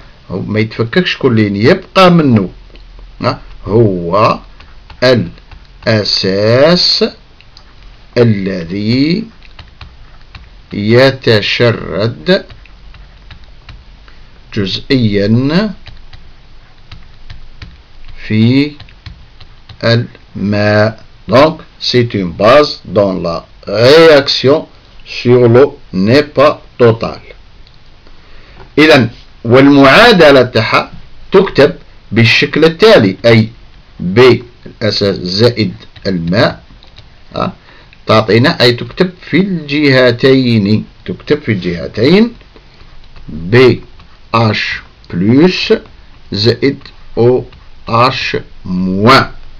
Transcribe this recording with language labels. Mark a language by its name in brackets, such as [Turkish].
[Arabic] ما يتفككش كليا، يبقى منه، هو الأساس الذي يتشرد جزئيا في الماء. [French] دونك c'est une base dont la réaction sur l'eau n'est pas totale. [Arabic] إذن والمعادلة تاعها تكتب بالشكل التالي، أي ب الأساس زائد الماء، تعطينا أي تكتب في الجهتين، تكتب في الجهتين ب اش بلس زائد او اش موان.